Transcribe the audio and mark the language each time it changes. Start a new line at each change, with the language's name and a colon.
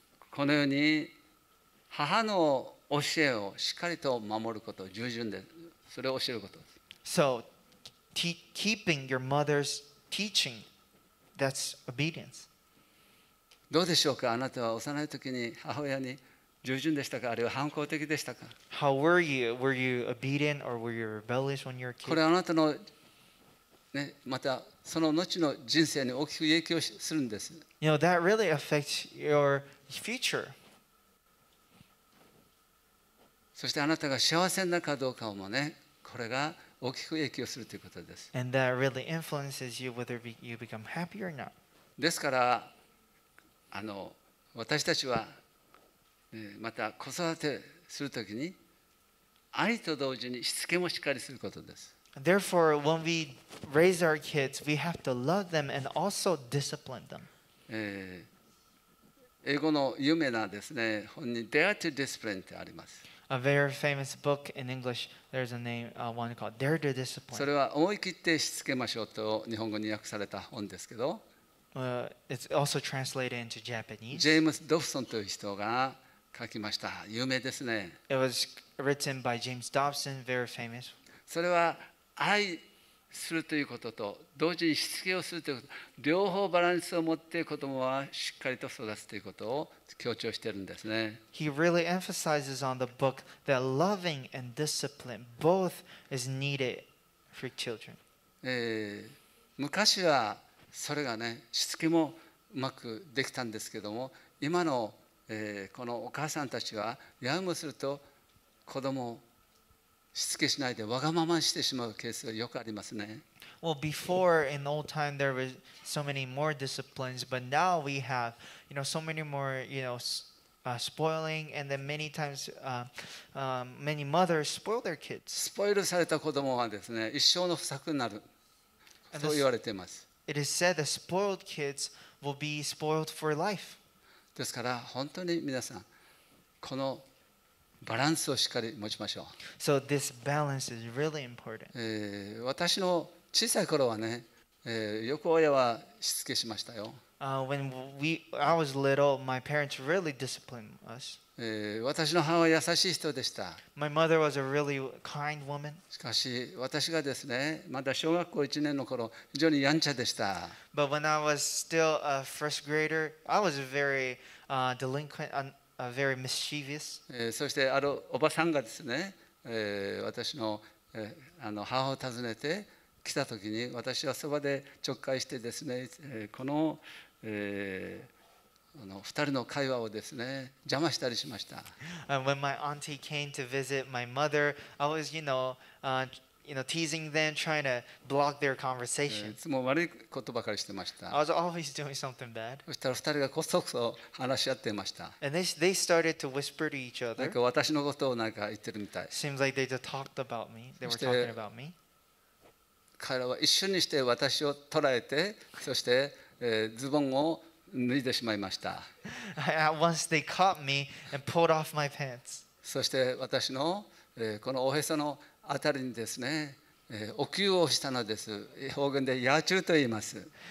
Japanese: このように母の教えをしっかりと守ること、従順でそれを教えること。
English: So keeping your mother's teaching, that's obedience.
Japanese: どうでしょうか、あなたは幼い時に母親に従順でしたか、あるいは反抗的でしたか。
English: How were you? Were you obedient or were you rebellious when you were a kid?
Japanese: これあなたのね、またその後の人生に大きく影響するんです。
English: You know, that really affects your future.
Japanese: そしてあなたが幸せになるかどうかもね、これが大きく影響するということです。
English: And that really influences you whether you become happy or not.
Japanese: ですから、私たちは、また子育てするときに愛と同時にしつけもしっかりすることです。
English: Therefore, when we raise our kids, we have to love them and also discipline them.
Japanese: 英語の有名なですね、本に Dare to Discipline ってあります。
English: A very famous book in English, there's a name, one called Dare to Discipline.
Japanese: それは思い切ってしつけましょうと日本語に訳された本ですけど、
English: It's also translated into Japanese.
Japanese: ジェームス・ドフソンという人が書きました。有名ですね。
English: It was written by James Dobson, very famous.
Japanese: それは愛するということと同時にしつけをするということ、両方バランスを持って子供はしっかりと育つということを強調しているんですね。
English: He really emphasizes on the book that loving and discipline both is needed for children.
Japanese: 昔はそれがね、しつけもうまくできたんですけども、今の、このお母さんたちはヤングすると子供をしつけしないでわがまましてしまうケースがよくありますね。
English: Well, before in old time there was so many more disciplines, but now we have, you know, so many more, you know, spoiling, and then many times, many mothers spoil their kids.
Japanese: スポイルされた子供はですね、一生の不作になる、と言われています。
English: It is said that spoiled kids will be spoiled for life.
Japanese: ですから本当に皆さんこのバランスをしっかり持ちましょう。
English: So this balance is really important.
Japanese: 私の小さい頃はね、よく親はしつけしましたよ。
English: When I was little, my parents really disciplined us.
Japanese: 私の母は優しい人でした。
English: My mother was a really kind woman.
Japanese: しかし私がですね、まだ小学校1年の頃、非常にやんちゃでした。
English: But when I was still a first grader, I was very delinquent. Very mischievous.
Japanese: そしてあるおばさんがですね、私の、母を訪ねて来た時に私はそばでちょっかいしてですね、この、あの2人の会話をですね邪魔したりしました。
English: When my auntie came to visit my mother, I was, teasing them, trying to block their conversation.
Japanese: いつも悪いことばかりしてました。
English: I was always doing something bad.
Japanese: そしたら二人がこそこそ話し合っていました。
English: And they started to whisper to each other.
Japanese: なんか私のことをなんか言ってるみたい。
English: Seems like they just talked about me. They were talking about me.
Japanese: 彼らは一瞬にして私を捉えて、そして、ズボンを脱いでしまいました。
English: At once they caught me and pulled off my pants.
Japanese: そして私の、このおへそのあたりにですね、お灸をしたのです。方言で野中と言います。